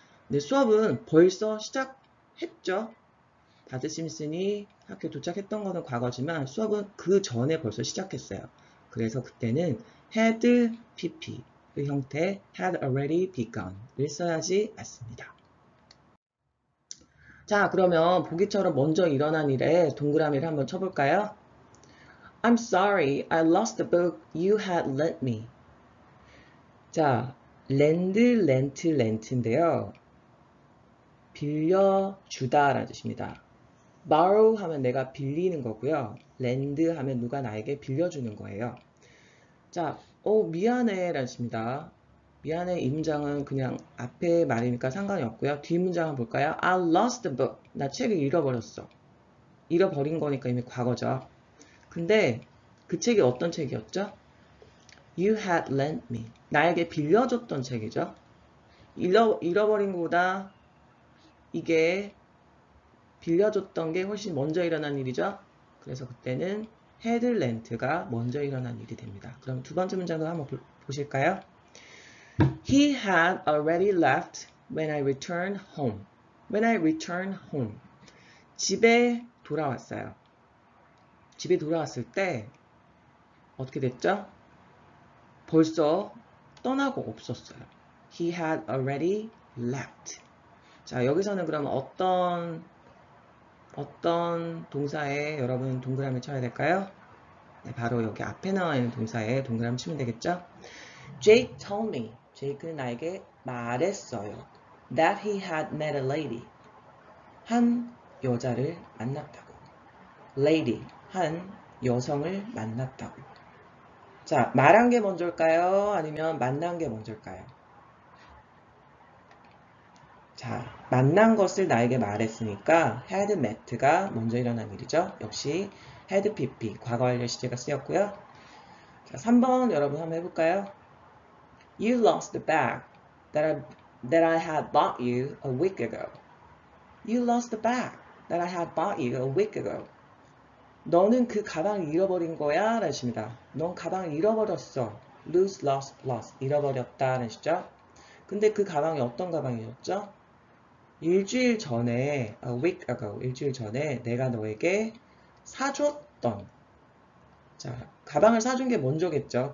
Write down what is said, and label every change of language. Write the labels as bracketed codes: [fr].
[ko] 근데 수업은 벌써 시작했죠. 바트 심슨이 학교에 도착했던 거는 과거지만 수업은 그 전에 벌써 시작했어요. 그래서 그때는 헤드 PP 그 형태 [en] had already begun [ko] 을 써야지 맞습니다. 자, 그러면 보기처럼 먼저 일어난 일에 동그라미를 한번 쳐볼까요? [en] I'm sorry, I lost the book you had lent me. [ko] 자, lend, lent, lent인데요. 빌려주다라는 뜻입니다. borrow 하면 내가 빌리는 거고요. lend 하면 누가 나에게 빌려주는 거예요. 자, 미안해 라는 뜻입니다. 미안해 이 문장은 그냥 앞에 말이니까 상관이 없고요. 뒷 문장 한번 볼까요? [en] I lost the book. [ko] 나 책을 잃어버렸어. 잃어버린 거니까 이미 과거죠. 근데 그 책이 어떤 책이었죠? [en] You had lent me. [ko] 나에게 빌려줬던 책이죠. 잃어버린 거보다 이게 빌려줬던 게 훨씬 먼저 일어난 일이죠. 그래서 그때는 헤드렌트가 먼저 일어난 일이 됩니다. 그럼 두 번째 문장도 한번 보실까요? [en] He had already left when I returned home. When I returned home. [ko] 집에 돌아왔어요. 집에 돌아왔을 때 어떻게 됐죠? 벌써 떠나고 없었어요. [en] He had already left. [ko] 자, 여기서는 그럼 어떤 동사에 여러분 동그라미 쳐야 될까요? 네, 바로 여기 앞에 나와 있는 동사에 동그라미 치면 되겠죠? [en] Jake told me. [ko] 제이크는 나에게 말했어요. [en] That he had met a lady. [ko] 한 여자를 만났다고. [en] Lady. [ko] 한 여성을 만났다고. 자, 말한 게 먼저일까요? 아니면 만난 게 먼저일까요? 자, 만난 것을 나에게 말했으니까 had met가 먼저 일어난 일이죠. 역시 had PP, 과거 완료 시제가 쓰였고요. 자, 3번 여러분 한번 해볼까요? [en] You lost the bag that I had bought you a week ago. You lost the bag that I had bought you a week ago. [ko] 너는 그 가방을 잃어버린 거야? 라는 뜻입니다. 넌 가방을 잃어버렸어. [en] Lose, lost, lost. [ko] 잃어버렸다는 뜻이죠. 근데 그 가방이 어떤 가방이었죠? 일주일 전에, [en] a week ago, [ko] 일주일 전에 내가 너에게 사줬던, 자, 가방을 사준 게 먼저겠죠.